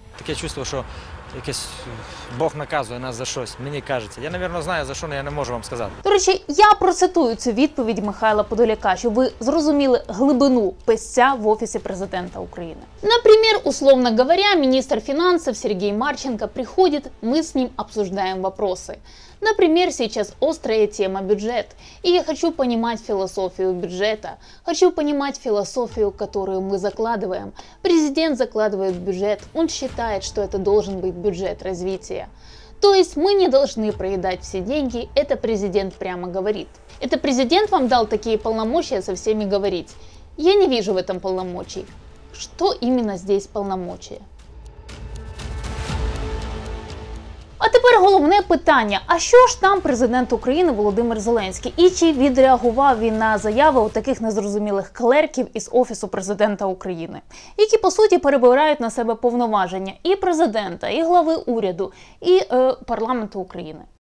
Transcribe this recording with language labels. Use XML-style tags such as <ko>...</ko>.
<uk>Таке чувство, що якесь Бог наказує нас за щось, мені кажеться. Я, навірно, знаю, за що, але я не можу вам сказати. До речі, я процитую цю відповідь Михайла Подоляка, щоб ви зрозуміли глибину писця в Офісі президента України. Наприклад,</uk> <ru>условно говоря,</ru> <uk>міністр фінансів Сергій Марченко приходить, ми з ним обсуждаємо вопроси.</uk> <ru>Например, сейчас острая тема бюджет, и я хочу понимать философию бюджета, хочу понимать философию, которую мы закладываем. Президент закладывает бюджет, он считает, что это должен быть бюджет развития. То есть мы не должны проедать все деньги, это президент прямо говорит. Это президент вам дал такие полномочия со всеми говорить? Я не вижу в этом полномочий. Что именно здесь полномочия?</ru> <uk>А тепер головне питання, а що ж там президент України Володимир Зеленський? І чи відреагував він на заяви у таких незрозумілих клерків із Офісу президента України? Які, по суті, перебирають на себе повноваження і президента, і глави уряду, і парламенту України?</uk>